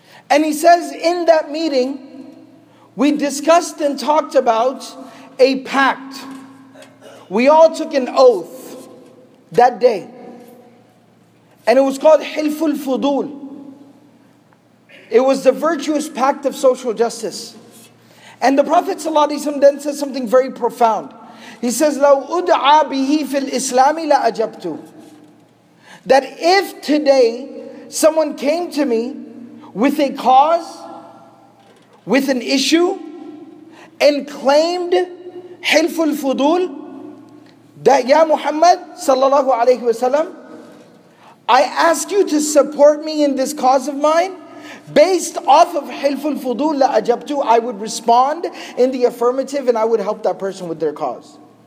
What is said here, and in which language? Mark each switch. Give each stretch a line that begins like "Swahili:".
English: And he says in that meeting, we discussed and talked about a pact. We all took an oath that day. And it was called Hilful Fudul. It was the virtuous pact of social justice. And the Prophet ﷺ then says something very profound. He says,
Arabic: لَوْ أُدْعَى بِهِ فِي الْإِسْلَامِ لَأَجَبْتُ.
English: That if today someone came to me with a cause, with an issue, and claimed hilful fudul, that ya Muhammad sallallahu alayhi wasallam, I ask you to support me in this cause of mine based off of hilful fudul
Arabic: la ajabtu,
English: I would respond in the affirmative and I would help that person with their cause.